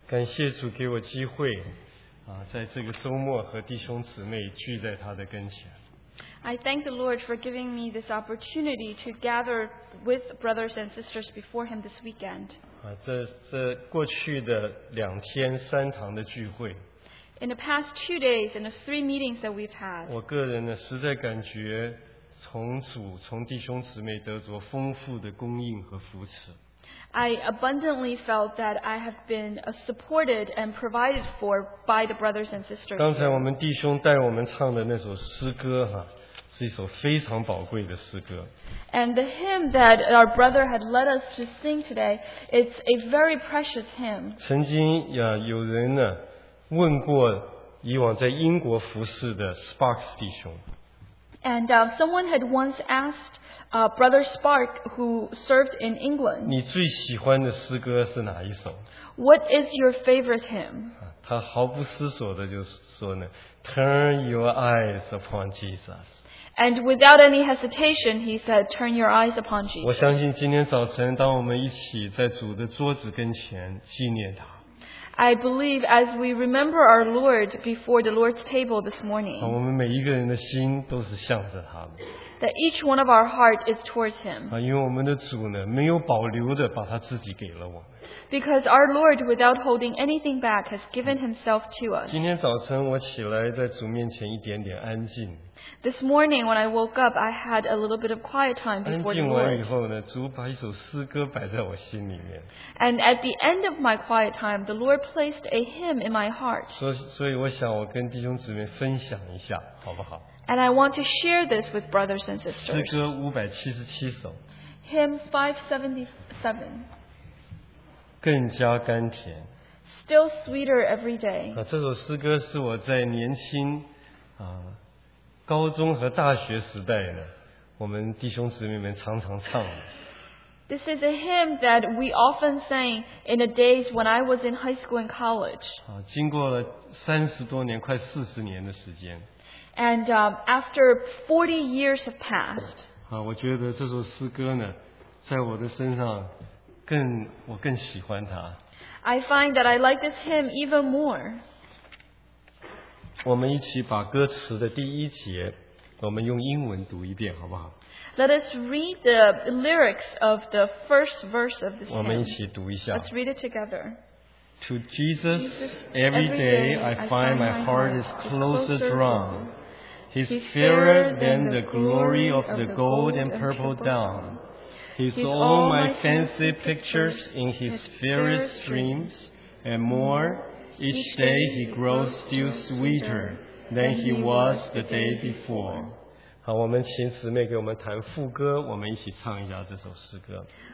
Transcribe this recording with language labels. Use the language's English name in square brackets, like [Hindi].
[Chinese] 感谢主给我机会啊，在这个周末和弟兄姊妹聚在他的跟前。 [English] I thank the Lord for giving me this opportunity to gather with brothers and sisters before Him this weekend. [Chinese] 啊，这过去的两天三堂的聚会。 [English] In the past 2 days and the 3 meetings that we've had. [Chinese] 我个人呢，实在感觉从主从弟兄姊妹得着丰富的供应和扶持。 [English] I abundantly felt that I have been supported and provided for by the brothers and sisters. [Chinese] 刚才我们弟兄带我们唱的那首诗歌哈，是一首非常宝贵的诗歌。 [English] And the hymn that our brother had led us to sing today, it's a very precious hymn. [Chinese] 曾经有人呢问过以往在英国服侍的 Sparks 弟兄。 [English] And someone had once asked Brother Spark, who served in England, [Chinese] 你最喜欢的诗歌是哪一首? [English] What is your favorite hymn? [Chinese] 他毫不思索的就说呢, [English] Turn your eyes upon Jesus. And without any hesitation, he said, Turn your eyes upon Jesus. [Chinese] 我相信今天早晨当我们一起在主的桌子跟前纪念他。 [English] I believe as we remember our Lord before the Lord's table this morning, [Chinese] 我们每一个人的心都是向着他的。 [English] That each one of our heart is towards Him. [Chinese] 啊，因为我们的主呢，没有保留的把他自己给了我们。 [English] Because our Lord, without holding anything back, has given Himself to us. [Chinese] 今天早晨我起来在主面前一点点安静。 [English] This morning when I woke up, I had a little bit of quiet time before the Lord. [Chinese] 安静完以后呢，主把一首诗歌摆在我心里面。 [English] And at the end of my quiet time, the Lord placed a hymn in my heart. [Chinese] 所以我想我跟弟兄姊妹分享一下，好不好？ [English] And I want to share this with brothers and sisters. [Chinese] 诗歌577首。 [English] Hymn 577. [Chinese] 更加甘甜。 [English] Still sweeter every day. [Chinese] 啊，这首诗歌是我在年轻啊，高中和大学时代呢，我们弟兄姊妹们常常唱的。 [English] This is a hymn that we often sang in the days when I was in high school and college. [Chinese] 啊，经过了30多年，快40年的时间。 [English] And after 40 years have passed, [Chinese] 啊，我觉得这首诗歌呢，在我的身上更，我更喜欢它。 [English] I find that I like this hymn even more. [Chinese] 我们一起把歌词的第一节，我们用英文读一遍，好不好？ [English] Let us read the lyrics of the first verse of this hymn. [Chinese] 我们一起读一下。 [English] Let's read it together. To Jesus, every day I find my heart is closer drawn. He's fairer than the glory of the gold and purple dawn. He's all my fancy pictures in his fairest dreams, and more, each day he grows still sweeter than he was the day before. [Chinese] 好，我们请姊妹给我们弹副歌，我们一起唱一下这首诗歌。